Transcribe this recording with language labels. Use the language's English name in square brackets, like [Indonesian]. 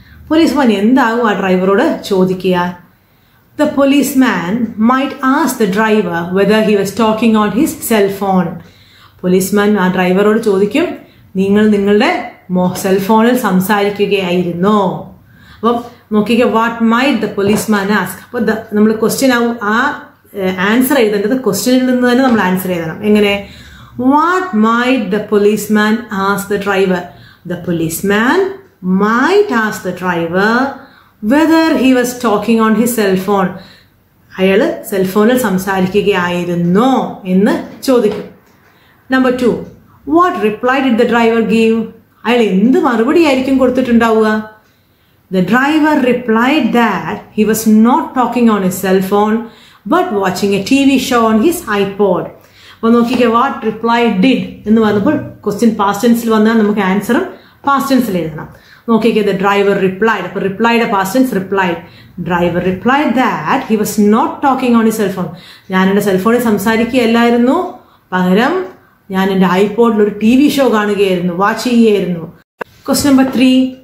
[Malayalam] Policeman എന്താകും ആ ഡ്രൈവറോട് ചോദിക്കുക? [English] The policeman might ask the driver whether he was talking on his cellphone. [Malayalam] Policeman ആ ഡ്രൈവറോട് ചോദിക്കും, നിങ്ങൾ നിങ്ങളുടെ സെൽഫോണിൽ സംസാരിക്കുകയായിരുന്നോ? അപ്പം നോക്കിക്കോ, [English] What might the policeman ask? [Malayalam] അപ്പൊ നമ്മൾ ക്വസ്റ്റ്യൻ ആവും, ആ ആൻസർ എഴുതേണ്ടത് ക്വസ്റ്റ്യനിൽ നിന്ന് തന്നെ നമ്മൾ ആൻസർ ചെയ്യണം. എങ്ങനെ? [English] What might the policeman ask the driver? The policeman might ask the driver whether he was talking on his cell phone. [Malayalam] അയാള് സെൽഫോണിൽ സംസാരിക്കുകയായിരുന്നോ എന്ന് ചോദിക്കും. [English] Number 2. What reply did the driver give? [Malayalam] അയാൾ എന്ത് മറുപടി ആയിരിക്കും കൊടുത്തിട്ടുണ്ടാവുക? [English] The driver replied that he was not talking on his cell phone but watching a TV show on his iPod. [Malayalam] അപ്പൊ നോക്കിക്കോ, [English] what reply did [Malayalam] എന്ന് പറഞ്ഞപ്പോൾ ക്വസ്റ്റ്യൻ പാസ്റ്റ് ടെൻസിൽ വന്നാൽ നമുക്ക് ആൻസറും പാസ്റ്റ് ടെൻസിൽ എഴുതണം. നോക്കിക്കോ, [English] The driver replied. [Malayalam] അപ്പൊ [English] Replied past tense, replied. Driver replied that he was not talking on his cellphone. [Malayalam] ഞാനെന്റെ സെൽഫോണിൽ സംസാരിക്കുകയല്ലായിരുന്നു, പകരം ഞാൻ എന്റെ ഐപോഡിൽ ഒരു ടി വി ഷോ കാണുകയായിരുന്നു, വാച്ച് ചെയ്യുകയായിരുന്നു. Question number 3.